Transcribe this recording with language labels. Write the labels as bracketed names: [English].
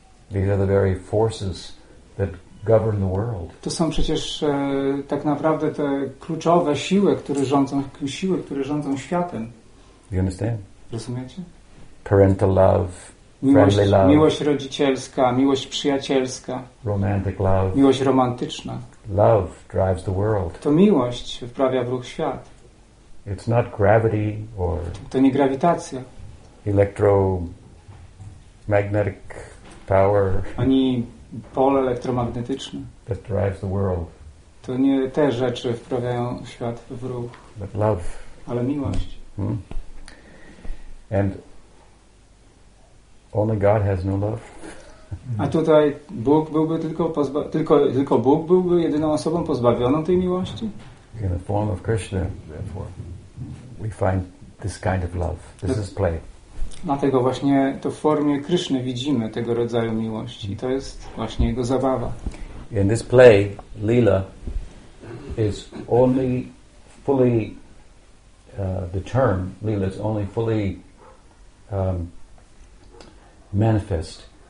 [English] These are the very forces that govern the world. [Polish] To są przecież tak naprawdę te kluczowe siły, które rządzą, siły, które rządzą światem. [English] You understand? [Polish] Rozumiecie? [English] Parental love, friendly love. [Polish] Miłość rodzicielska, miłość przyjacielska. [English] Romantic love. [Polish] Miłość romantyczna. [English] Love drives the world. [Polish] To miłość wprawia w ruch świat. [English] It's not gravity or. [Polish] To nie grawitacja. [English] Electromagnetic power. [Polish] Ani pole elektromagnetyczne. [English] That drives the world. [Polish] To nie te rzeczy wprawiają świat w ruch. [English] But love. [Polish] Ale miłość. [English] Hmm. And only God has no love. [Polish] A tutaj Bóg byłby tylko tylko Bóg byłby jedyną osobą pozbawioną tej miłości. [English] In the form of Krishna, therefore, we find this kind of love. This is play. [Polish] Dlatego właśnie to w formie Krishny widzimy tego rodzaju miłości. To jest właśnie jego zabawa. [English] In this play, lila is only fully the term lila is only fully manifest.